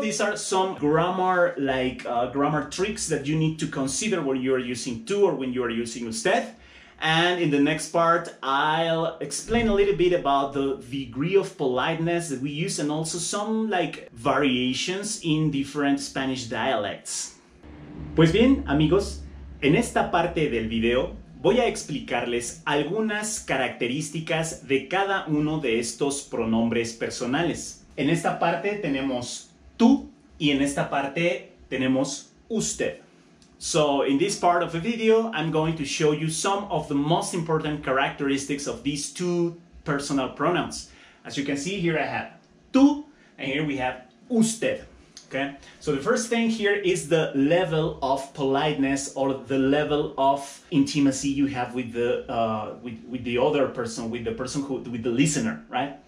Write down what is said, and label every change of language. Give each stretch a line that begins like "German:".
English: These are some grammar tricks that you need to consider when you are using to or when you are using usted. And in the next part, I'll explain a little bit about the degree of politeness that we use and also some like variations in different Spanish dialects.
Spanish: Pues bien, amigos, en esta parte del video voy a explicarles algunas características de cada uno de estos pronombres personales. En esta parte tenemos tú y en esta parte tenemos usted.
English: So, in this part of the video, I'm going to show you some of the most important characteristics of these two personal pronouns. As you can see, here I have tú and here we have usted. Okay? So, the first thing here is the level of politeness or the level of intimacy you have with the other person, with the person who, with the listener, right?